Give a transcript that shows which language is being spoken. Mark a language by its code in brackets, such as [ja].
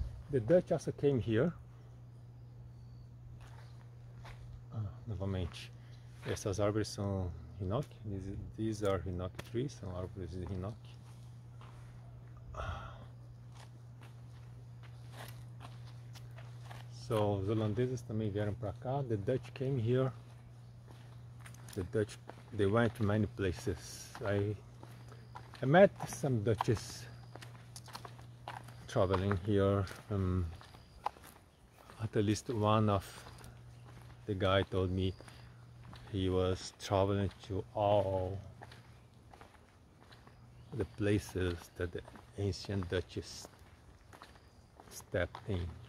[en] The Dutch also came here. [pt] Novamente, essas árvores são hinoki. [en] These are hinoki trees, [pt] são árvores de hinoki. So os holandeses também vieram para cá. [en] The Dutch came here. The Dutch, they went to many places. I met some Dutchies traveling here. At least one of the guy told me he was traveling to all the places that the ancient Dutchies stepped in.